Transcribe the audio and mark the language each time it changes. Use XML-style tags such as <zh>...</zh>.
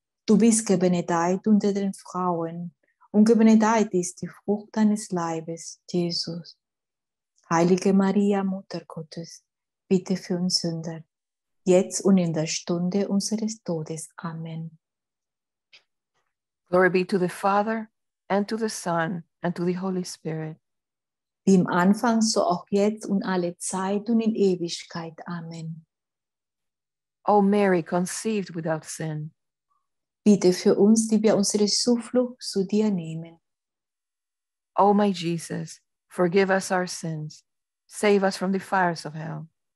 <de>Du bist gebenedeit unter den Frauen, und gebenedeit ist die Frucht deines Leibes, Jesus. Heilige Maria, Mutter Gottes, bitte für uns Sünder, jetzt und in der Stunde unseres Todes. Amen.</de> <en>Glory be to the Father, and to the Son, and to the Holy Spirit.</en> <de>Wie im Anfang, so auch jetzt und alle Zeit und in Ewigkeit. Amen.</de> <en>O Mary, conceived without sin.</en> <de>Bitte für uns, die wir unsere Zuflucht zu dir nehmen.</de> <en>O my Jesus, forgive us our sins. Save us from the fires of hell.</en>